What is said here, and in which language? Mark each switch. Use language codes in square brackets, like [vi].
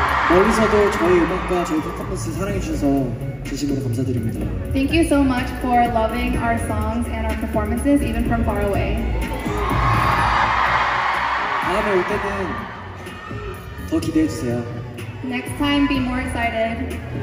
[ko] 멀리서도 저희 음악과 저희 퍼포먼스 사랑해주셔서 진심으로 감사드립니다. [en] Thank you so much for loving our songs and our performances, even from far away. [ko] 다음에 올 때는 더 기대해주세요. [en] Next time, be more excited.